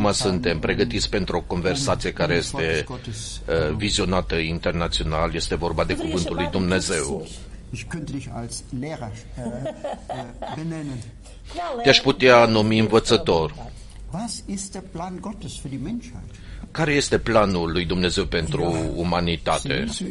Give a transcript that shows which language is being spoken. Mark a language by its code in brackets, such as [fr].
[ro] Acum suntem pregătiți pentru o conversație care este vizionată internațional, este vorba de cuvântul lui Dumnezeu. [de] Ich könnte dich als Lehrer benennen. [ro] Te-aș putea numi învățător. [de] Was ist der Plan Gottes für die Menschheit? [ro] Care este planul lui Dumnezeu pentru umanitate?